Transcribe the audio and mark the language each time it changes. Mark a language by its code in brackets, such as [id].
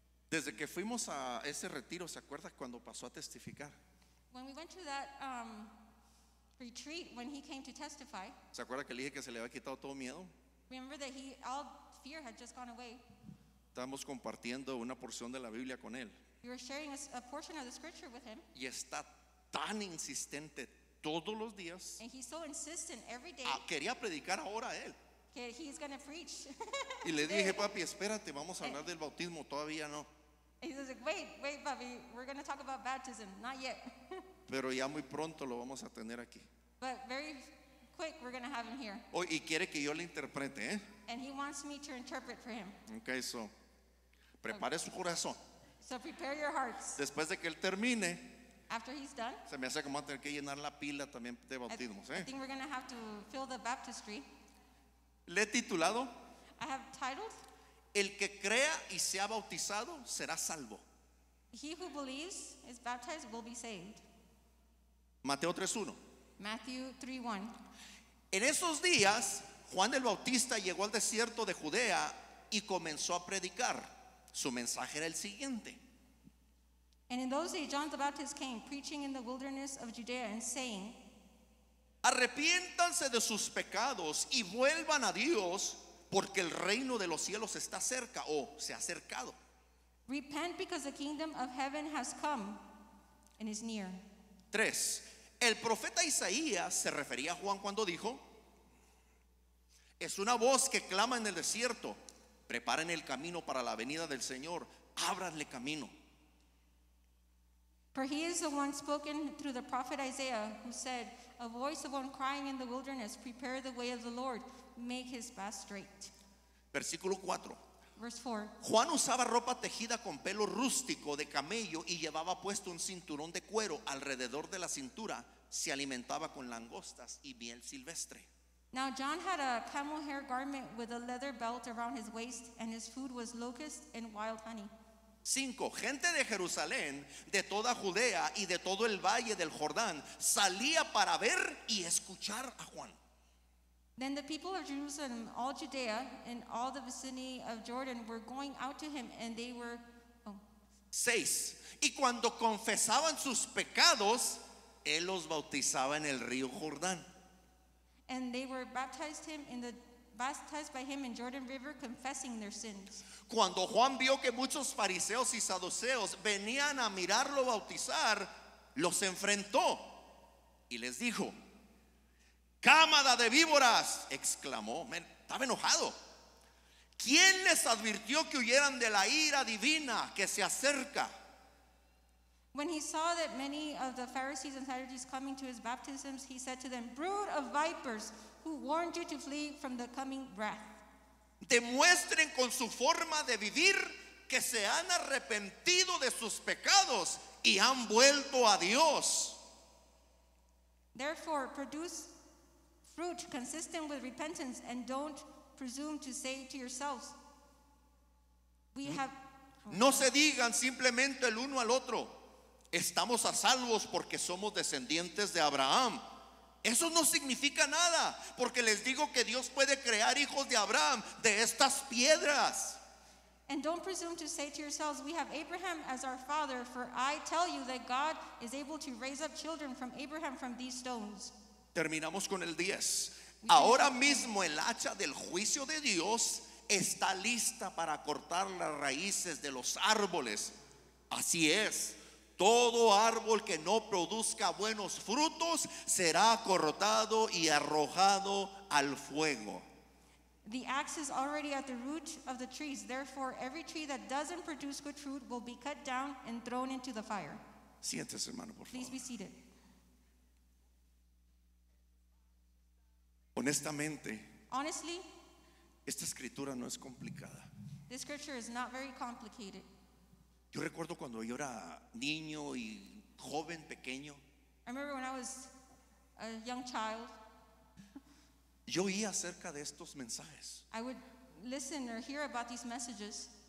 [es] Desde que fuimos a ese retiro, ¿se acuerda cuando pasó a testificar? [en] When we went to that retreat, when he came to testify, [es] ¿se acuerda que le dije que se le había quitado todo miedo? [en] Remember that all fear had just gone away. [es] Estábamos compartiendo una porción de la Biblia con él. [en] We were sharing a portion of the scripture with him. [es] Y está tan insistente todos los días. [en] And he's so insistent every day. [es] Ah, quería predicar ahora a él. [en] Que he's going to preach. [es] Y le dije, papi, espérate, vamos a hablar del bautismo, todavía no. [en] He says, wait, papi, we're going to talk about baptism, not yet. [es] Pero ya muy pronto lo vamos a tener aquí. [en] But very quick, we're going to have him here. [es] Oh, y quiere que yo le interprete, ¿eh? [en] And he wants me to interpret for him. Okay, so, [es] prepare su corazón. [en] So prepare your hearts. [es] Después de que él termine, [en] after he's done, [es] se me hace como tener que llenar la pila también de bautismos. [en] I think we're going to have to fill the baptistry. [es] Le he titulado, [en] I have titled, [es] el que crea y sea bautizado será salvo. [en] He who believes is baptized will be saved. [es] Mateo 3:1. [en] Matthew 3:1. [es] En esos días, Juan el Bautista llegó al desierto de Judea y comenzó a predicar. Su mensaje era el siguiente. [en] And in those days, John the Baptist came, preaching in the wilderness of Judea and saying, [es] arrepiéntanse de sus pecados y vuelvan a Dios, porque el reino de los cielos está cerca o se ha acercado. [en] Repent because the kingdom of heaven has come and is near. 3. [es] El profeta Isaías se refería a Juan cuando dijo: es una voz que clama en el desierto, preparen el camino para la venida del Señor, ábranle camino. [en] For he is the one spoken through the prophet Isaiah, who said, a voice of one crying in the wilderness, prepare the way of the Lord, make his path straight. [es] Versículo 4. [en] Verse 4. [es] Juan usaba ropa tejida con pelo rústico de camello y llevaba puesto un cinturón de cuero alrededor de la cintura, se alimentaba con langostas y miel silvestre. [en] Now John had a camel hair garment with a leather belt around his waist, and his food was locusts and wild honey. 5. [es] Gente de Jerusalén, de toda Judea y de todo el valle del Jordán salía para ver y escuchar a Juan. [en] Then the people of Jerusalem, all Judea and all the vicinity of Jordan were going out to him, and they were 6. [es] Y cuando confesaban sus pecados, él los bautizaba en el río Jordán. [en] And they were baptized by him in Jordan River, confessing their sins. [es] Cuando Juan vio que muchos fariseos y saduceos venían a mirarlo bautizar, los enfrentó y les dijo: cámada de víboras, exclamó. Estaba enojado. ¿Quién les advirtió que huyeran de la ira divina que se acerca? [en] When he saw that many of the Pharisees and Sadducees coming to his baptisms, he said to them, brood of vipers, who warned you to flee from the coming wrath? [es] Demuestren con su forma de vivir que se han arrepentido de sus pecados y han vuelto a Dios. [en] Therefore, produce fruit consistent with repentance, and don't presume to say to yourselves, we have. [es] No se digan simplemente el uno al otro, estamos a salvos porque somos descendientes de Abraham. Eso no significa nada, porque les digo que Dios puede crear hijos de Abraham de estas piedras. [en] And don't presume to say to yourselves, we have Abraham as our father, for I tell you that God is able to raise up children from Abraham from these stones. [es] Terminamos con el 10. Ahora mismo el hacha del juicio de Dios está lista para cortar las raíces de los árboles. Así es. Todo árbol que no produzca buenos frutos será cortado y arrojado al fuego. [en] The axe is already at the root of the trees. Therefore, every tree that doesn't produce good fruit will be cut down and thrown into the fire. [es] Siéntese, hermano, por favor. [en] Please be seated. [es] Honestamente, [en] honestly, [es] esta escritura no es complicada. [en] This scripture is not very complicated. [es] Yo recuerdo cuando yo era niño y joven, pequeño. [en] I remember when I was a young child. [es] Yo oía acerca de estos mensajes. [en] I would listen or hear about these messages.